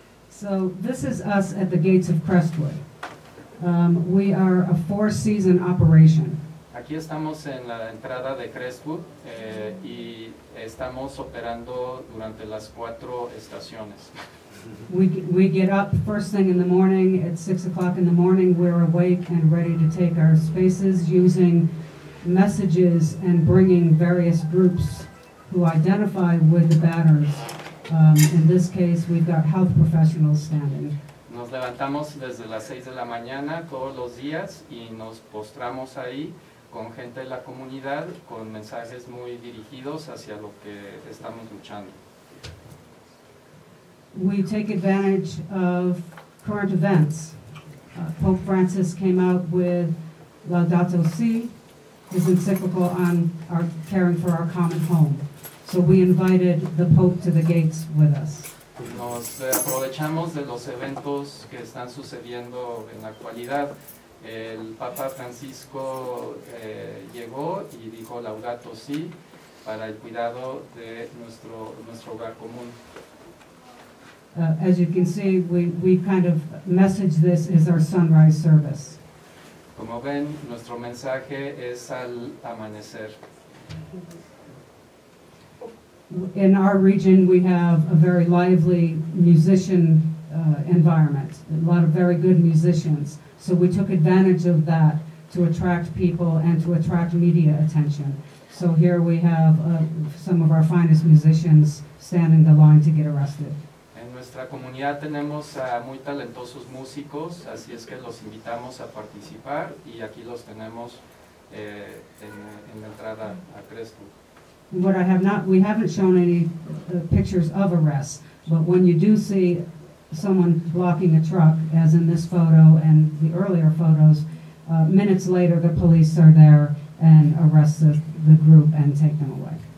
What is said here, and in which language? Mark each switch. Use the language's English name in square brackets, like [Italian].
[English] So this is us at the gates of Crestwood. We are a four-season operation. [Spanish] Aquí estamos en la entrada de Crestwood y estamos operando durante las cuatro estaciones. [English] We get up first thing in the morning at 6 o'clock in the morning. We're awake and ready to take our spaces using messages and bringing various groups who identify with the batters. In this case, we've got health professionals standing. [Spanish] Nos levantamos desde las 6 de la mañana todos los días y nos postramos ahí con gente de la comunidad con mensajes muy dirigidos hacia lo que estamos luchando. [English] We take advantage of current events. Pope Francis came out with Laudato Si, his encyclical on our caring for our common home. So we invited the Pope to the gates with us. [Spanish] Nos aprovechamos de los eventos que están sucediendo en la actualidad. El Papa Francisco llegó y dijo Laudato Si para el cuidado de nuestro hogar común. [English] As you can see, we kind of message this as our sunrise service. [Spanish] Como ven, nuestro mensaje es al amanecer. [English] In our region, we have a very lively musician environment, a lot of very good musicians. So we took advantage of that to attract people and to attract media attention. So here we have some of our finest musicians standing the line to get arrested. [Spanish] En nuestra comunidad tenemos a muy talentosos músicos, así es que los invitamos a participar y aquí los tenemos en la entrada a Crespo. [English] What I have not, we haven't shown any pictures of arrests, but when you do see someone blocking a truck, as in this photo and the earlier photos, minutes later the police are there and arrest the group and take them away.